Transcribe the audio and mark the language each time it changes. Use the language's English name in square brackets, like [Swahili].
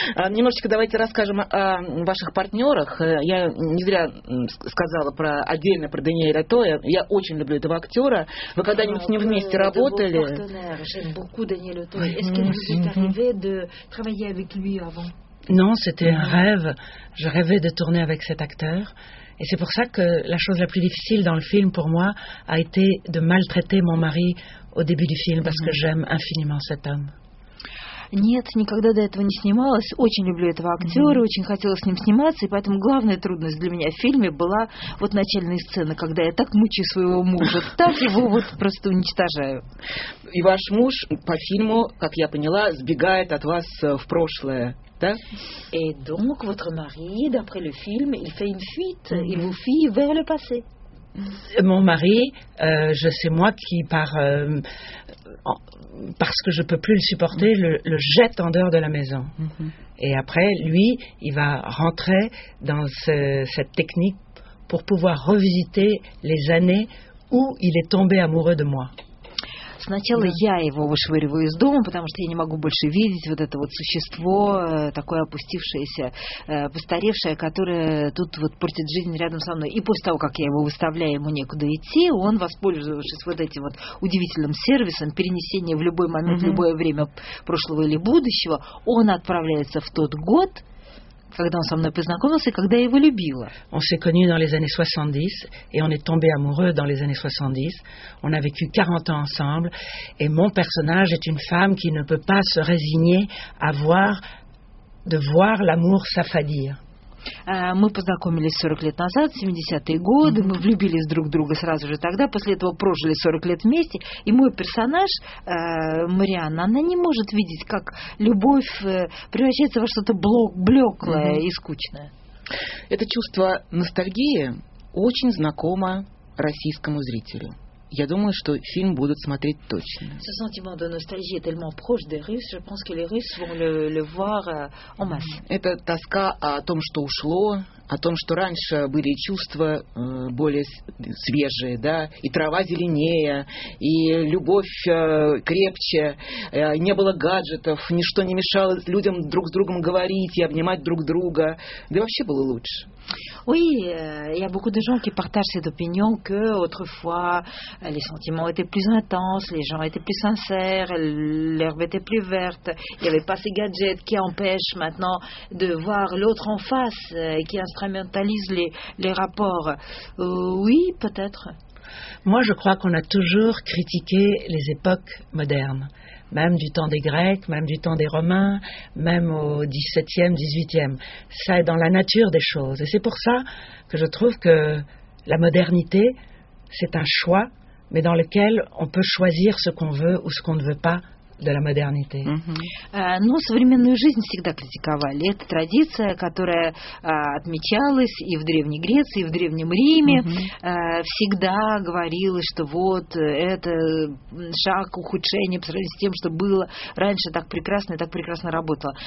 [Russian] Немножечко давайте расскажем о ваших партнерах. Я не зря сказала про отдельно про Даниэль Атоя. Я очень люблю этого актера. Вы когда-нибудь с ним вместе работали? [French] J'aime beaucoup Daniel Auteuil. Est-ce qu'il vous est arrivé de travailler avec lui avant? Non, c'était un rêve. Je rêvais de tourner avec cet acteur. Et c'est pour ça que la chose la plus difficile dans le film, pour moi, a été de maltraiter mon mari au début du film, parce que j'aime infiniment cet homme. [Russian] Нет, никогда до этого не снималась. Очень люблю этого актера, очень хотела с ним сниматься. И поэтому главная трудность для меня в фильме была вот начальная сцена, когда я так мучаю своего мужа, так его вот просто уничтожаю. И ваш муж по фильму, как я поняла, сбегает от вас в прошлое. [French] Et donc, votre mari, d'après le film, il fait une fuite, il vous fuit vers le passé. Mon mari, c'est moi qui, parce que je ne peux plus le supporter, le jette en dehors de la maison. Et après, lui, il va rentrer dans cette technique pour pouvoir revisiter les années où il est tombé amoureux de moi. [Russian] Сначала я его вышвыриваю из дома, потому что я не могу больше видеть вот это вот существо, такое опустившееся, постаревшее, которое тут вот портит жизнь рядом со мной. И после того, как я его выставляю, ему некуда идти, он, воспользовавшись вот этим вот удивительным сервисом, перенесение в любой момент, в любое время прошлого или будущего, он отправляется в тот год, Когда он со мной познакомился и когда я его любила. [French] On s'est connus dans les années 70 et on est tombés amoureux dans les années 70. On a vécu 40 ans ensemble et mon personnage est une femme qui ne peut pas se résigner à voir de voir l'amour s'affadir. [Russian] Мы познакомились 40 лет назад, 70-е годы, мы влюбились друг в друга сразу же тогда, после этого прожили 40 лет вместе, и мой персонаж, Марианна, она не может видеть, как любовь превращается во что-то блеклое и скучное. Это чувство ностальгии очень знакомо российскому зрителю. Я думаю, что фильм будут смотреть точно. [French] Ce sentiment de nostalgie est tellement proche des Russes, je pense que les Russes vont le voir en masse. [Russian] Это тоска о том, что ушло, о том, что раньше были чувства более свежие, да, и трава зеленее, и любовь крепче, не было гаджетов, ничто не мешало людям друг с другом говорить и обнимать друг друга. Да и вообще было лучше. [French] Oui, il y a beaucoup de gens qui partagent cette opinion que autrefois les sentiments étaient plus intenses, les gens étaient plus sincères, l'herbe était plus verte, il n'y avait pas ces gadgets qui empêchent maintenant de voir l'autre en face et qui instrumentalisent les rapports. Oui, peut-être. Moi, je crois qu'on a toujours critiqué les époques modernes, même du temps des Grecs, même du temps des Romains, même au XVIIe, XVIIIe. Ça est dans la nature des choses. Et c'est pour ça que je trouve que la modernité, c'est un choix, mais dans lequel on peut choisir ce qu'on veut ou ce qu'on ne veut pas. De la modernité. [Russian] Но современную жизнь всегда критиковали. Это традиция, которая отмечалась и в Древней Греции, и в Древнем Риме. Всегда говорилось, что вот это шаг ухудшения по сравнению с тем, что было раньше так прекрасно и так прекрасно работало.